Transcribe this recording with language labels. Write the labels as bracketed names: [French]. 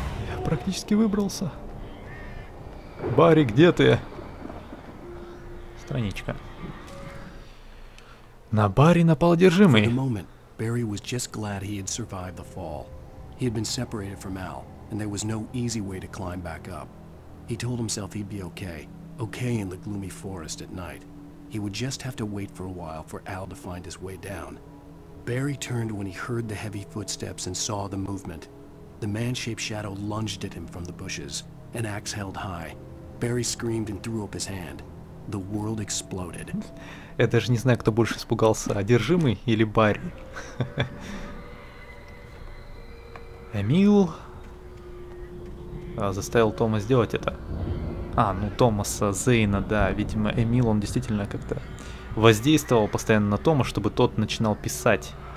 [Russian] Я практически выбрался. Барри, где ты? Страничка. На Барри напал одержимый. [English] Barry was just glad he had survived the fall. He had been separated from Al, and there was no easy way to climb back up. He told himself he'd be okay, okay in the gloomy forest at night. He would just have to wait for a while for Al to find his way down. Barry turned when he heard the heavy footsteps and saw the movement. The man-shaped shadow lunged at him from the bushes, an axe held high. Barry screamed and threw up his hand. The world exploded. [Russian] Я даже не знаю, кто больше испугался, одержимый или Барри. Эмил заставил Тома сделать это. А, ну Томаса, Зейна, да. Видимо, Эмил, он действительно как-то воздействовал постоянно на Тома, чтобы тот начинал писать.